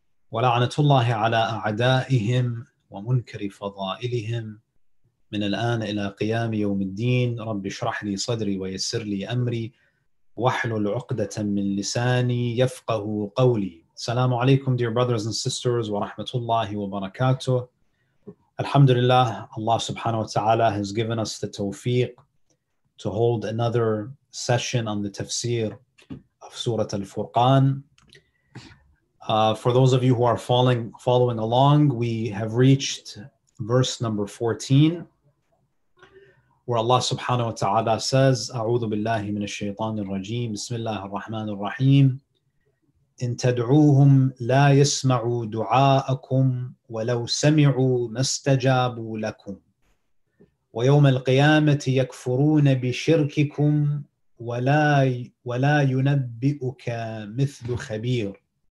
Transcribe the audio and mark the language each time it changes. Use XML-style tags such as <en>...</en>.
<ar>ولعنة الله على أعدائهم ومنكر فضائلهم من الآن إلى قيام يوم الدين رب اشرح لي صدري ويسر لي أمري واحلل عقدة من لساني يفقه قولي. السلام عليكم</ar> <en>dear brothers and sisters</en> <ar>ورحمة الله وبركاته. الحمد لله الله سبحانه وتعالى</ar> <en>has given us the tawfiq to hold another session on the tafsir of Surah Al-Furqan. For those of you who are following along, we have reached verse number 14 where Allah subhanahu wa ta'ala says,</en> <ar>أعوذ بالله من الشيطان الرجيم بسم الله الرحمن الرحيم إن تدعوهم لا يسمعوا دعاءكم ولو سمعوا ما استجابوا لكم ويوم القيامة يكفرون بشرككم ولا ينبئك مثل خبير.</ar>